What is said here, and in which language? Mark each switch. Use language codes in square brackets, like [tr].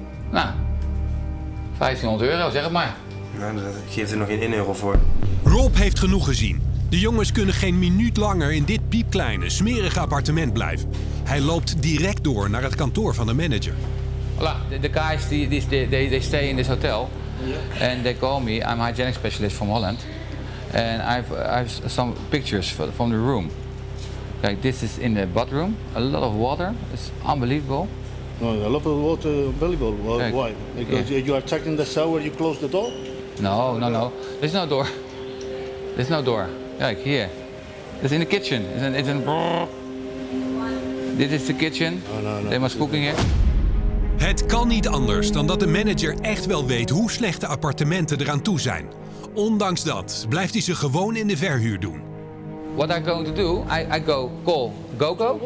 [nl] Nou. 1500 euro, zeg het maar. Nou, dat geeft er nog geen 1 euro voor. Rob heeft genoeg gezien. De jongens kunnen geen minuut langer in dit piepkleine, smerige appartement blijven. Hij loopt direct door naar het kantoor van de manager. [en] Voilà, de guys die stay in this hotel. En they call me, I'm a hygienic specialist from Holland. And I have some pictures from the room. Like this is in the bathroom. A lot of water, it's unbelievable. No, a lot of water available. Why? Because you are checking the shower, you close the door? No. There's no door. Like here. It's in the kitchen. It's in. This is the kitchen. No. They must cooking here. [nl] Het kan niet anders dan dat de manager echt wel weet hoe slecht de appartementen eraan toe zijn. Ondanks dat blijft hij ze gewoon in de verhuur doen. [en] What I'm going to do, I go call GoGo.